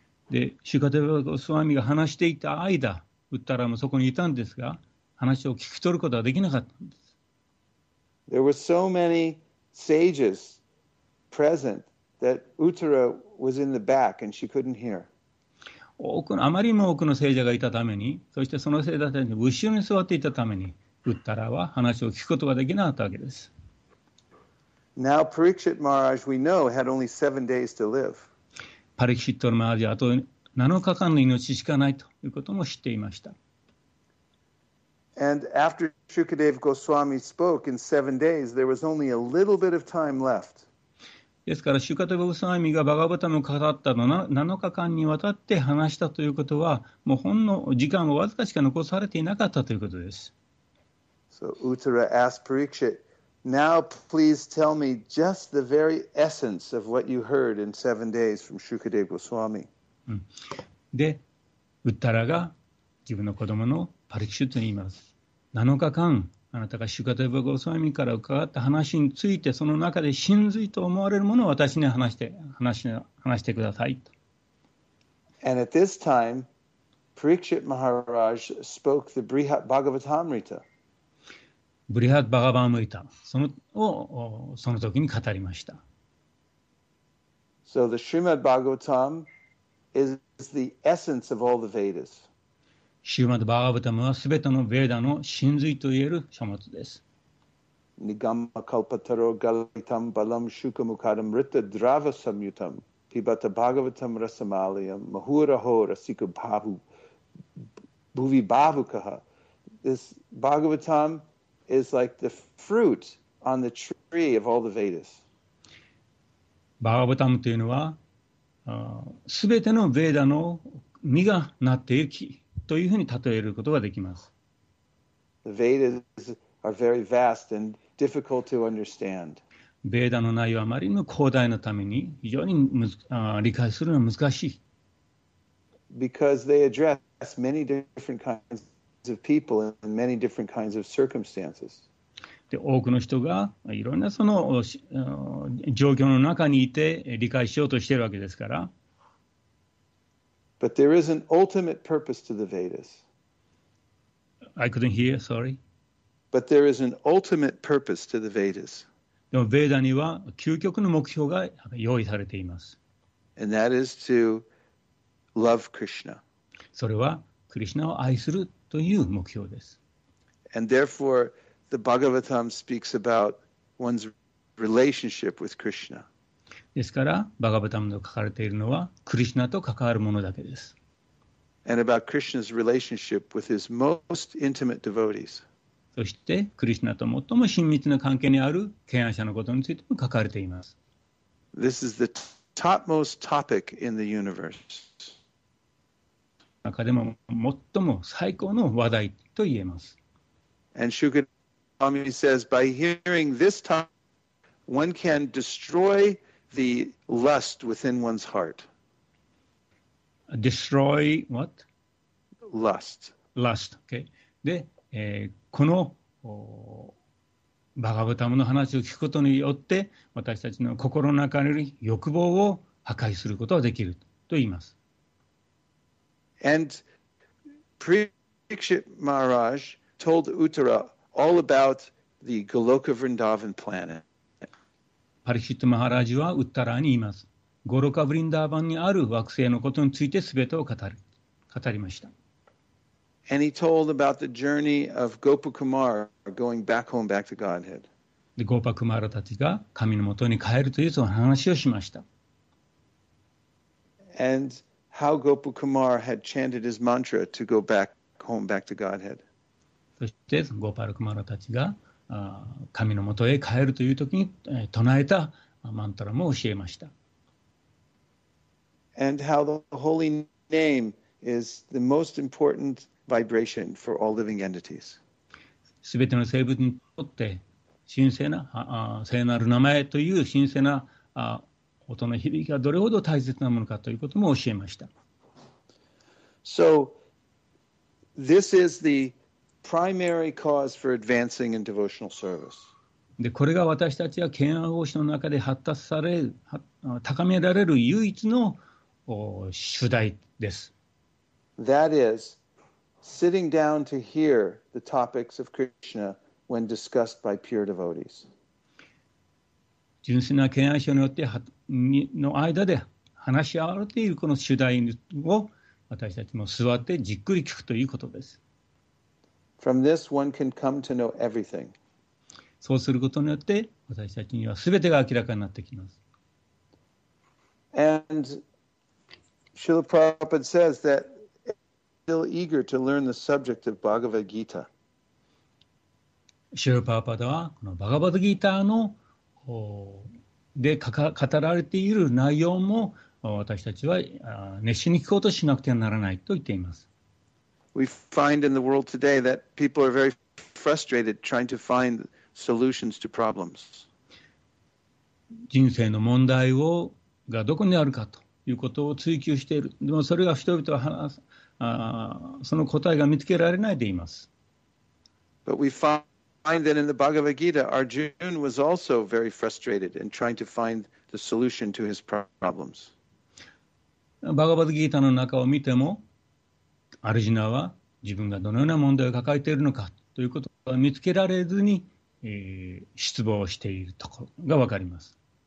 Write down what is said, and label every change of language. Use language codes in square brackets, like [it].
[ja] で、Shukadev Goswami が話していた間、ウッタラもそこにいたんですが、話を聞き取ることはできなかったんです。 [en] There were so many sages present that Uttara was in the back and she couldn't hear. [ja] あまりにも多くの聖者がいたために、そしてその聖者たちの後ろに座っていたために、ウッタラは話を聞くことができなかったわけです。 [en] Now Parikshit Maharaj, we know, had only 7 days to live. [ja] パリキシッド・マハラジはあと7日間の命しかないということも知っていました。 [en] And after Shukadev Goswami spoke in 7 days, there was only a little bit of time left. [ja] ですから、シュカデヴァ・ゴスワミがバガヴァタムを語ったの7日間にわたって話したということは、もうほんの時間をわずかしか残されていなかったということです。 [en] So Uttara asked Parikshit,Now, please tell me just the very essence of what you heard in 7 days from Shukadev Goswami.、 [ja] で、ウッタラが自分の子供のパリキシッドに言います。 7日間、あなたがシュカデヴァ・ゴスワミから伺った話について、その中で真髄と思われるものを私に話してくださいと。 [en] And at this time, Parikshit Maharaj spoke the Brihat Bhagavatamrita. [ja] ブリハッバガバムリタをその時に語りました。 [en] So the Srimad Bhagavatam is the essence of all the Vedas. [ja] Srimad Bhagavatam は全てのヴェーダの真髄といえる書物です。 [sa] Nigama Kalpataro Galitam Balam Shukamukadam Ritta Drava Samyutam Pibata Bhagavatam Rasamaliam Mahuraho Rasika Bhavu Bhuvi Bhavukaha [en] This Bhagavatamis like the fruit on the tree of all the Vedas. [ja] バガヴァタムというのは、すべてのヴェーダの実がなっている木というふうに例えることができます。 [en] The Vedas are very vast and difficult to understand. [ja] ベーダの内容はあまりにも広大なために非常に理解するのは難しい。 [en] Because they address many different kinds of people and many different kinds of circumstances. [ja] で、多くの人がいろんなその状況の中にいて理解しようとしているわけですから。 [en] But there is an ultimate purpose to the Vedas. I couldn't hear, sorry. But there is an ultimate purpose to the Vedas. [ja] でも、ベーダには究極の目標が用意されています。 [en] And that is to love Krishna. [ja] それは、クリシナを愛するという目標です。 [en] And therefore, the Bhagavatam speaks about one's relationship with Krishna. [ja] ですから、バガバタムの書かれているのは、クリシナと関わるものだけです。 [en] And about Krishna's relationship with his most intimate devotees. [ja] そして、クリシナと最も親密な関係にある敬愛者のことについても書かれています。 [en] This is the topmost topic in the universe. [ja] 中でも最も最高の話題と言えます。 [en] And Shukadevami says, by hearing this topic, one can destroy. The lust within one's heart. Destroy what? Lust. Lust. Okay. [ja] で、このバガヴァタムの話を聞くことによって私たちの心の中に欲望を破壊することができると言います。 [en] And Pariksit Maharaj told Uttara all about the Goloka Vrindavan planet. [ja] パリシットマハラジはウッタラーに言います。ゴロカブリンダーバンにある惑星のことについて全てを語りました。 [en] And he told about the journey of Gopakumar going back home back to Godhead. [ja] で、ゴーパクマラたちが神のもとに帰るというその話をしました。 [en] And how Gopakumar had chanted his mantra to go back home back to Godhead. [ja] そして、ゴーパルクマラたちが神のもとへ帰るというときに唱えたマントラも教えました。 [en] And how the holy name is the most important vibration for all living entities. [ja] すべての生物にとって神聖な聖なる名前という神聖な音の響きがどれほど大切なものかということも教えました。 [en] So this is the primary cause for advancing in devotional service. [ja] で、これが私たちが敬愛奉仕の中で発達される、高められる唯一の主題です。 [en] That is sitting down to hear the topics of Krishna when discussed by pure devotees. [ja] 純粋な敬愛者によっての間で話し合われているこの主題を私たちも座ってじっくり聞くということです。 [en] From this, one can come to know everything. [ja] そうすることによって、私たちにはすべてが明らかになってきます。 [en] And Srila Prabhupada says that still eager to learn the subject of Bhagavad Gita. [ja] Srila Prabhupada は、このバガバドギーターの、で語られている内容も、私たちは熱心に聞こうとしなくてはならないと言っています。 [en] We find in the world today that people are very frustrated trying to find solutions to problems. [ja] 人生の問題をがどこにあるかということを追求している。でもそれが人々はその答えが見つけられないでいます。 [en] But we find that in the Bhagavad Gita, Arjuna was also very frustrated in trying to find the solution to his problems. [ja] バガバドギータの中を見ても、アルジナは自分がどのような問題を抱えているのかということを見つけられずに、失望しているところがわかります。